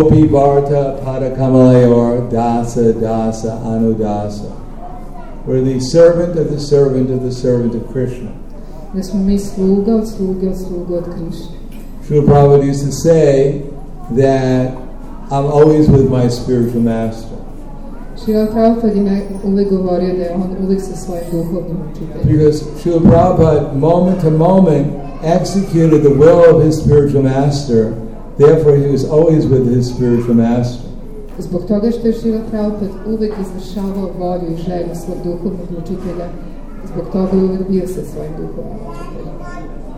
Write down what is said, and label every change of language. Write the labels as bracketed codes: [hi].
[sa] Gopi Bharata Padakamalayor Dasa Dasa Anudasa. [en] We're the servant of the servant of the servant of Krishna. [sr] Da smo mi sluga od sluge od sluge od Krishna. [en] Srila Prabhupada used to say that I'm always with my spiritual master. [sr] Srila Prabhupada uvek govorio da je on uvek sa svojim duhovnim učiteljem. [en] Because Srila Prabhupada moment to moment executed the will of his spiritual master, therefore he was always with his spiritual master. [sr] Zbog toga što je Srila Prabhupada uvek izvršavao volju i želju svog duhovnog učitelja, zbog toga je uvek bio sa svojim duhovnim učiteljem.